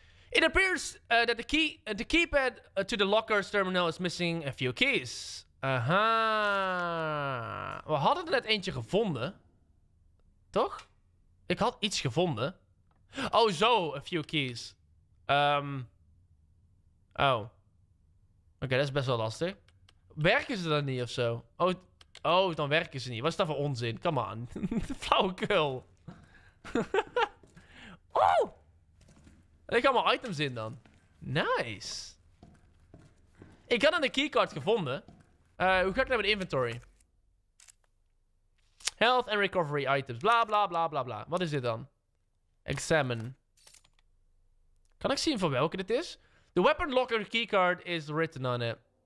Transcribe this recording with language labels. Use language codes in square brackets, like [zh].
[en] It appears that the keypad to the locker's terminal is missing a few keys. Aha. [nl] We hadden net eentje gevonden. Toch? Ik had iets gevonden. Oh zo, [en] a few keys. [nl] Oh. Oké, dat is best wel lastig. Werken ze dan niet of zo? Oh, dan werken ze niet. Wat is dat voor onzin? [en] Come on. [nl] Flauwekul. Oh! Er liggen allemaal items in dan. Nice. Ik had een keycard gevonden. Hoe ga ik naar mijn inventory? [en] Health and recovery items. Bla, bla, bla, bla, bla. [nl] Wat is dit dan? [en] Examine. [nl] Kan ik zien van welke dit is? [en] The weapon locker keycard is written on it.